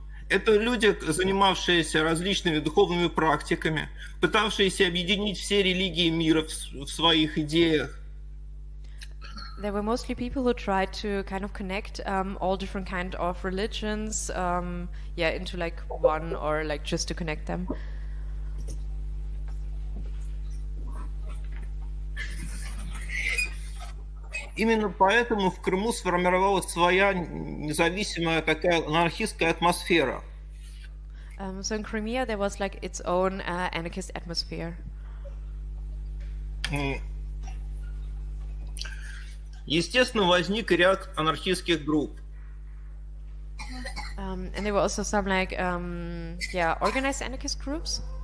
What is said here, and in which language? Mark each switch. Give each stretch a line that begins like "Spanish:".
Russian: Это люди, занимавшиеся различными духовными практиками, пытавшиеся объединить все религии мира в своих идеях.
English: There were mostly people who tried to kind of connect all different kind of religions into like one or like just to connect them.
Russian: Именно поэтому в Крыму сформировалась своя независимая такая анархистская атмосфера.
English: So in Crimea there was like its own anarchist atmosphere.
Russian: Естественно, возник ряд анархистских групп.
English: And there were also some like organized anarchist groups.